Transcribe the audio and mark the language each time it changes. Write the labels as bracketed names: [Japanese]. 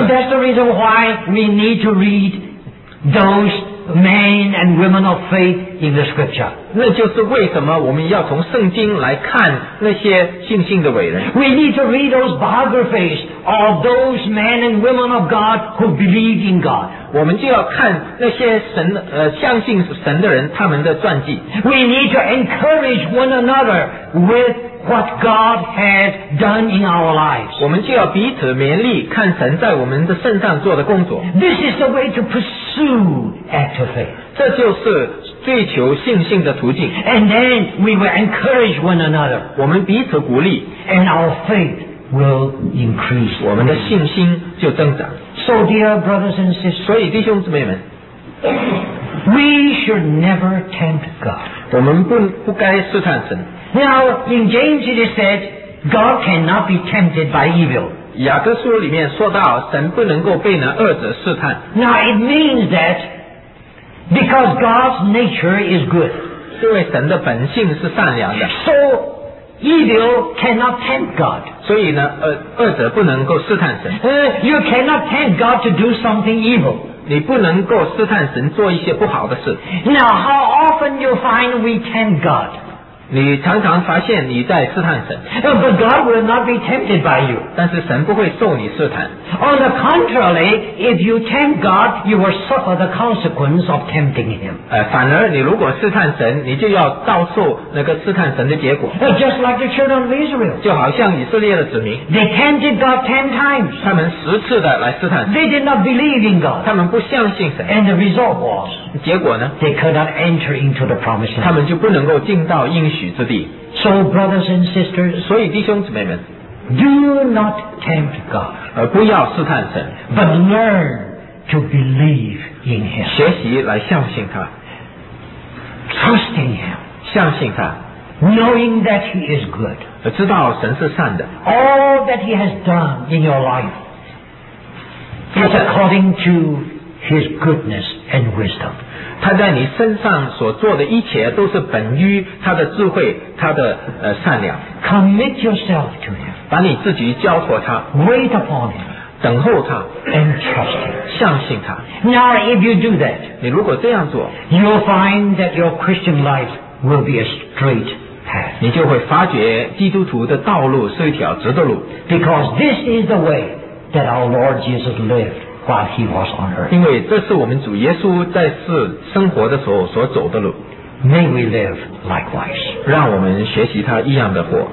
[English] That's the reason why we need to readThose men and women of faith in the scripture. [Chinese] 那就是为什么我们要从圣经来看那些信心的伟人。 [English] We need to read those biographies of those men and women of God who believed in God. [Chinese] 我们就要看那些神相信神的人他们的传记。 [English] We need to encourage one another with what God has done in our lives. [Chinese] 我们就要彼此勉励，看神在我们的身上做的工作。 [English] This is the way to pursue. [Chinese] 这就是追求信心的途径。 [English] And then we will encourage one another. [Chinese] 我们彼此鼓励。 [English] And our faith will increase. [Chinese] 我们的信心就增长。 [English] So dear brothers and sisters, [Chinese] 所以弟兄姊妹们， [English] we should never tempt God. [Chinese] 我们不该试探神。 [English] Now in James it is said, God cannot be tempted by evil. [Chinese] 雅各书里面说到神不能够被那恶者试探。 [English] Now it means that because God's nature is good, [Chinese] 因为神的本性是善良的， [English] so evil cannot tempt God. [Chinese] 所以呢恶者不能够试探神。 [English] You cannot tempt God to do something evil. [Chinese] 你不能够试探神做一些不好的事。 [English] Now how often you find we tempt God? [Chinese] 你常常发现你在试探神。 [English] But God will not be tempted by you. [Chinese] 但是神不会受你试探。 [English] On the contrary, if you tempt God, you will suffer the consequence of tempting him. [Chinese] 反而你如果试探神，你就要遭受那个试探神的结果。 [English] Just like the children of Israel. [Chinese] 就好像以色列的子民。 [English] They tempted God 10 times. [Chinese] 他们十次的来试探神。 [English] They did not believe in God. [Chinese] 他们不相信神。 [English] And the result was, [Chinese] 结果呢？ [English] They could not enter into the promised land. [Chinese] 他们就不能够进到应许之地。 [English] So brothers and sisters, [Chinese] 所以弟兄姊妹们， [English] do not tempt God, [Chinese] 而不要试探神， [English] but learn to believe in him, [Chinese] 学习来相信他， [English] trust in him, [Chinese] 相信他， [English] knowing that he is good, [Chinese] 知道神是善的， [English] all that he has done in your life is according to his goodness and wisdom. [Chinese] 他在你身上所做的一切都是本于他的智慧，他的善良。 [English] Commit yourself to him. [Chinese] 把你自己交托他。 [English] Wait upon him. [Chinese] 等候他。 [English] And trust him. [Chinese] 相信他。 [English] Now, if you do that, [Chinese] 你如果这样做， [English] you'll find that your Christian life will be a straight path. [Chinese] 你就会发觉基督徒的道路是一条直的路。 [English] Because this is the way that our Lord Jesus lived. While he was on earth. [Chinese] 因为这是我们主耶稣在世生活的时候所走的路。 [English] May we live likewise. [Chinese] 让我们学习他一样的活。